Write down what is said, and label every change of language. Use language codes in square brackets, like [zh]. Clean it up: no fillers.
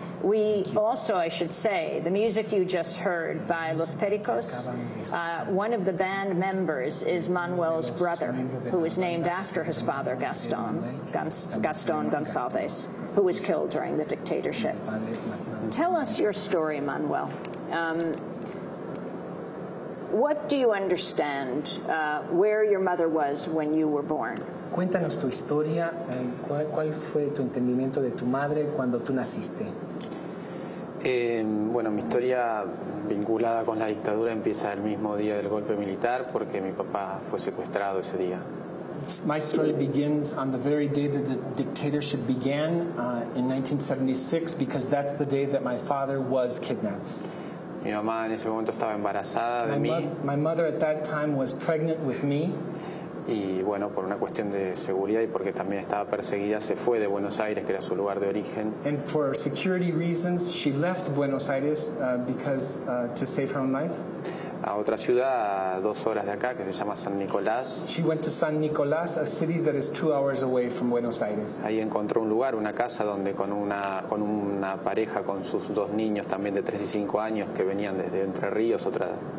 [en] We also, I should say, the music you just heard by Los Pericos, one of the band members is Manuel's brother, who was named after his father, Gaston Gonçalves, who was killed during the dictatorship. Tell us your story, Manuel. What do you understand where your mother was when you were born? [es] Cuéntanos tu historia. ¿Cuál fue tu entendimiento de tu madre cuando tú naciste? Bueno, mi historia vinculada con la dictadura empieza el mismo día del golpe militar porque mi papá fue secuestrado ese día. [en] My story begins on the very day that the dictatorship began in 1976 because that's the day that my father was kidnapped. [es] Mi mamá en ese momento estaba embarazada de mí. [en] My mother at that time was pregnant with me. [es] Y bueno, por una cuestión de seguridad y porque también estaba perseguida, se fue de Buenos Aires, que era su lugar de origen. [en] And for security reasons, she left Buenos Aires to save her own life. [es] A otra ciudad, a dos horas de acá, que se llama San Nicolás. [en] She went to San Nicolás, a city that is 2 hours away from Buenos Aires. [es] Ahí encontró un lugar, una casa, donde con una pareja, con sus dos niños también de 3 y 5 años, que venían desde Entre Ríos, otra...